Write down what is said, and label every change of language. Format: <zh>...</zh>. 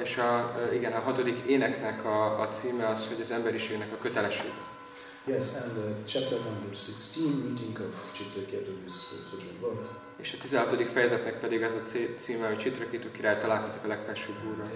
<hu>És a igen, a hatodik éneknek a címe az, hogy az emberiségnek a kötelesség.</hu> <en>Yes, and chapter number 16, meeting of Chitraketu with Supreme Lord.</en> <hu>És a 16. fejezetnek pedig ez a címe, hogy Chitraketu király találkozik a legfelsőbb úrral.</hu>